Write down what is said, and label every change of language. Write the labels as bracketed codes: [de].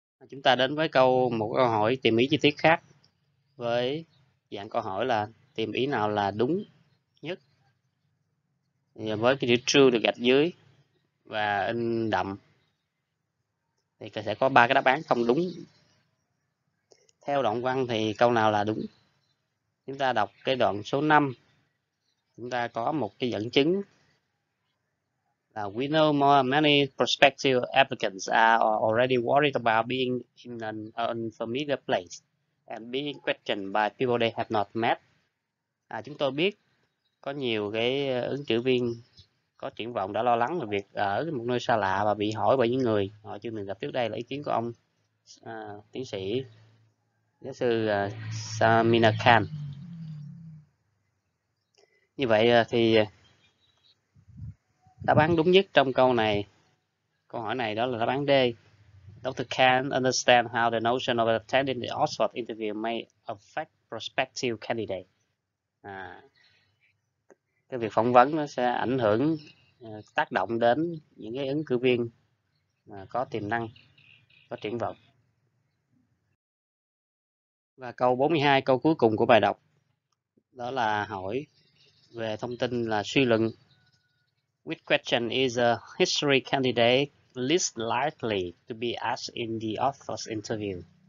[vi] Chúng ta đến với câu một câu hỏi tìm ý chi tiết khác với dạng câu hỏi là tìm ý nào là đúng nhất. Thì với cái chữ true được gạch dưới và in đậm thì sẽ có ba cái đáp án không đúng. Theo đoạn văn thì câu nào là đúng? Chúng ta đọc cái đoạn số 5. Chúng ta có một cái dẫn chứng là [en] we know more many prospective applicants are already worried about being in an unfamiliar place and being questioned by people they have not met. [vi] À, chúng tôi biết có nhiều cái ứng cử viên có triển vọng đã lo lắng về việc ở một nơi xa lạ và bị hỏi bởi những người họ chưa từng gặp. Trước đây là ý kiến của ông tiến sĩ giáo sư Samina Khan. Như vậy thì đáp án đúng nhất trong câu này, câu hỏi này đó là đáp án D. [en] Dr. Khan understand how the notion of attending the Oxford interview may affect prospective candidate. [vi] À, cái việc phỏng vấn nó sẽ ảnh hưởng tác động đến những cái ứng cử viên có tiềm năng, có triển vọng. Và câu 42, câu cuối cùng của bài đọc đó là hỏi về thông tin là suy luận [en] which question is a history candidate least likely to be asked in the Oxford interview.